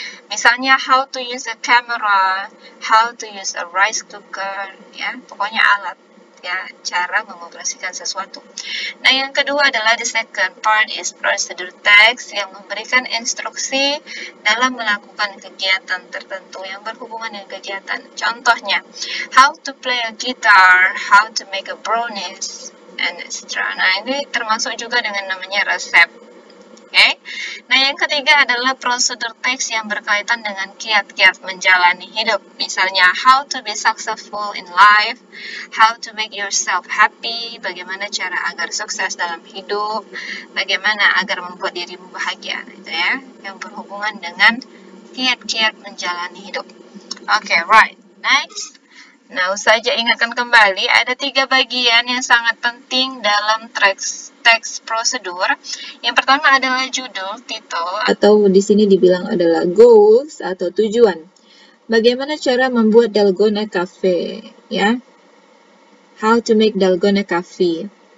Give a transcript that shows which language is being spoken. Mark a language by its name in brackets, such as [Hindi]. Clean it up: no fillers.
[English] Misalnya, how to use a camera, how to use a rice cooker, ya, [Indonesian] pokoknya alat. Ya, cara mengoperasikan sesuatu. Nah, yang kedua adalah [English] the second part is procedure text [Indonesian] yang memberikan instruksi dalam melakukan kegiatan tertentu yang berhubungan dengan kegiatan. [English] Contohnya, how to play a guitar, how to make a brownies, and etc. [Indonesian] Nah, ini termasuk juga dengan namanya resep. Oke. Nah, yang ketiga adalah prosedur teks yang berkaitan dengan kiat-kiat menjalani hidup. Misalnya, [English] how to be successful in life, how to make yourself happy, [Indonesian] bagaimana cara agar sukses dalam hidup, bagaimana agar membuat dirimu bahagia, itu ya, yang berhubungan dengan kiat-kiat menjalani hidup. Oke, [English] right. Next. [Indonesian] Nah, usah aja ingatkan kembali, ada tiga bagian yang sangat penting dalam teks prosedur. Yang pertama adalah judul, titel, atau di sini dibilang adalah goals atau tujuan. Bagaimana cara membuat Dalgona Cafe, ya? [English] How to make Dalgona Cafe.